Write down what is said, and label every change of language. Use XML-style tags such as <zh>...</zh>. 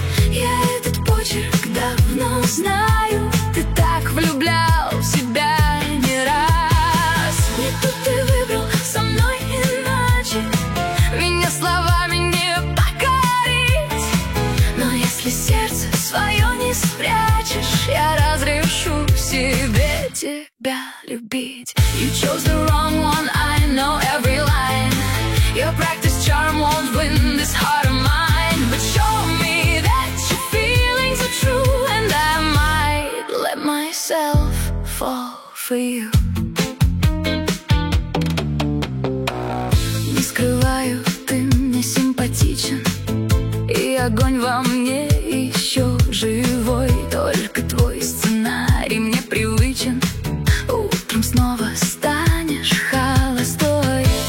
<ru>Я этот почерк давно знаю, ты так влюблял в себя не раз. Не тут ты выбрал, со мной иначе, меня словами не покорить. Но если сердце свое не спрячешь, я разрешу себе тебя любить.</ru> <en>You chose the wrong one, I know every line. Your practice charm won't win this heart of mine. But show me that your feelings are true, and I might let myself fall for you.</en> <ru>Не скрываю, ты мне симпатичен, и огонь во мне еще живой. Только твой сценарий мне привычен. Снова станешь холостой.</ru>